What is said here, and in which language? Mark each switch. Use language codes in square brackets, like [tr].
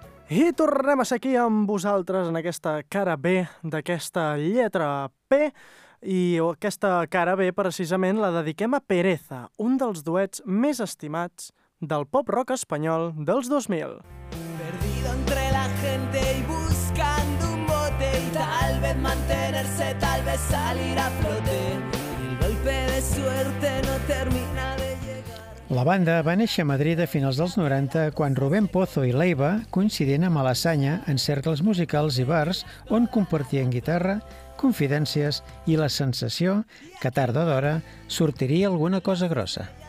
[ca] I tornem a ser aquí amb vosaltres en aquesta cara B d'aquesta lletra P. I aquesta cara B, precisament, la dediquem a Pereza, un dels duets més estimats del pop-rock espanyol dels 2000. [es] Perdido entre la gente y buscando un bote y tal vez mantenerse, tal vez salir a flote. El golpe de suerte no termina de... [ca] La banda va néixer a Madrid a finals dels 90 quan Rubén Pozo i Leiva, coincidint amb l'Assanya en cercles musicals i bars on compartien guitarra, confidències i la sensació que tard o d'hora sortiria alguna cosa grossa.